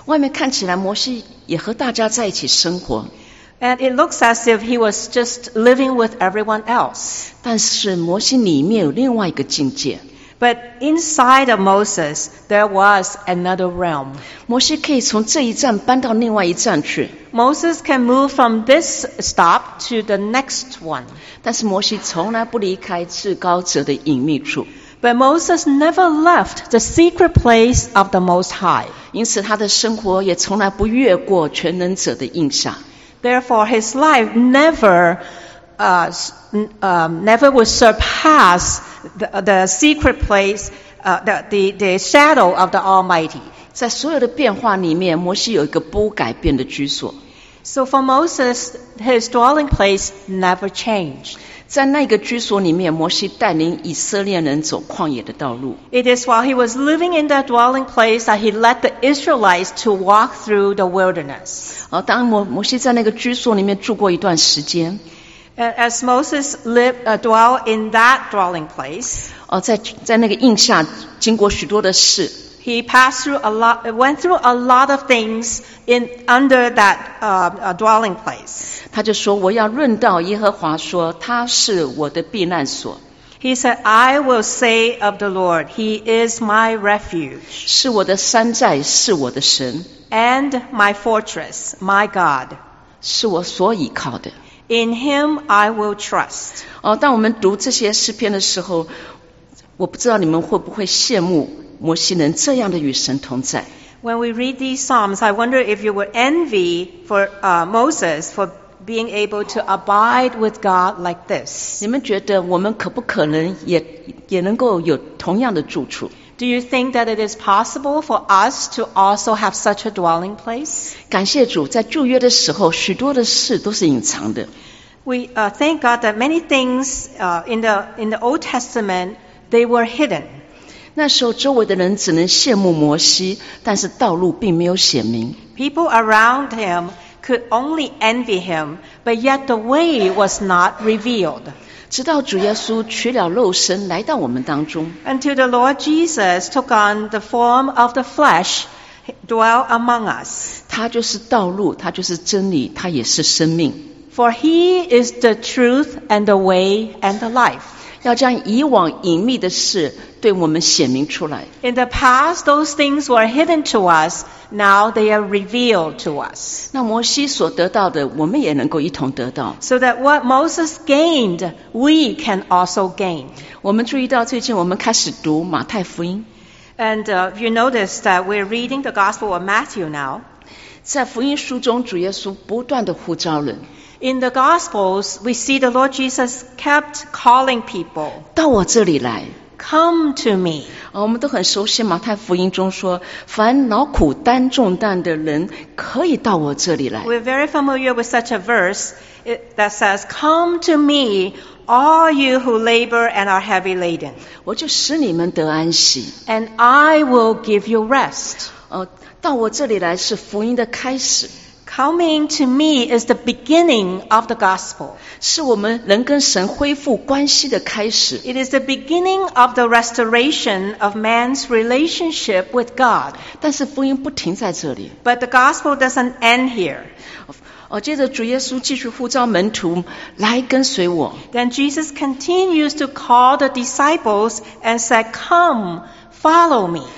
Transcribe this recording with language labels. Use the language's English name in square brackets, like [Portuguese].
[Chinese] 外面看起来摩西也和大家在一起生活。 [English] And it looks as if he was just living with everyone else. [Chinese] 但是摩西里面有另外一个境界。 [English] But inside of Moses, there was another realm. [Chinese] 摩西可以从这一站搬到另外一站去。 [English] Moses can move from this stop to the next one. [Chinese] 但是摩西从来不离开至高者的隐秘处。 [English] But Moses never left the secret place of the Most High. [Chinese] 因此他的生活也从来不越过全能者的印下。 [English] Therefore, his life never would surpass the secret place, the shadow of the Almighty. [Chinese] 在所有的变化里面，摩西有一个不改变的居所。 [English] So for Moses, his dwelling place never changed. [Chinese] 在那个居所里面，摩西带领以色列人走旷野的道路。 [English] It is while he was living in that dwelling place that he led the Israelites to walk through the wilderness. [Chinese] 当摩西在那个居所里面住过一段时间。 [English] As Moses dwelt in that dwelling place, [Chinese] 在那个印下经过许多的事。 [English] He passed through went through a lot of things under that dwelling place. [Chinese] 他就说我要论到耶和华说他是我的避难所。 [English] He said, I will say of the Lord, he is my refuge. [Chinese] 是我的山寨是我的神。 [English] And my fortress, my God. [Chinese] 是我所倚靠的。 [English] In him I will trust. [Chinese] 当我们读这些诗篇的时候，我不知道你们会不会羡慕摩西能这样的与神同在。 [English] When we read these psalms, I wonder if you would envy for Moses for being able to abide with God like this. [Chinese] 你们觉得我们可不可能也能够有同样的住处？ [English] Do you think that it is possible for us to also have such a dwelling place? [Chinese] 感谢主，在旧约的时候，许多的事都是隐藏的。 [English] We thank God that many things in the Old Testament they were hidden. [Chinese] 那时候周围的人只能羡慕摩西，但是道路并没有显明。 [English] People around him could only envy him, but yet the way was not revealed. [Chinese] 直到主耶稣取了肉身来到我们当中。 [English] Until the Lord Jesus took on the form of the flesh, dwell among us. [Chinese] 他就是道路，他就是真理，他也是生命。 [English] For he is the truth and the way and the life. [Chinese] 要将以往隐秘的事对我们显明出来。 [English] In the past, those things were hidden to us. Now they are revealed to us. [Chinese] 那摩西所得到的，我们也能够一同得到。 [English] So that what Moses gained, we can also gain. [Chinese] 我们注意到最近我们开始读马太福音。 [English] And you notice that we're reading the Gospel of Matthew now. [Chinese] 在福音书中，主耶稣不断地呼召人。 [English] In the Gospels, we see the Lord Jesus kept calling people. [Chinese] 到我这里来。 [English] Come to me. [Chinese] 我们都很熟悉马太福音中说，凡劳苦担重担的人可以到我这里来。 [English] We're very familiar with such a verse that says, Come to me, all you who labor and are heavy laden. [Chinese] 我就使你们得安息。 [English] And I will give you rest. [Chinese] 到我这里来是福音的开始。 [English] Coming to me is the beginning of the gospel. [Chinese] 是我们人跟神恢复关系的开始。 [English] It is the beginning of the restoration of man's relationship with God. [Chinese] 但是福音不停在这里。 [English] But the gospel doesn't end here. [Chinese] 接着主耶稣继续呼召门徒来跟随我。 [English] Then Jesus continues to call the disciples and said, Come, follow me.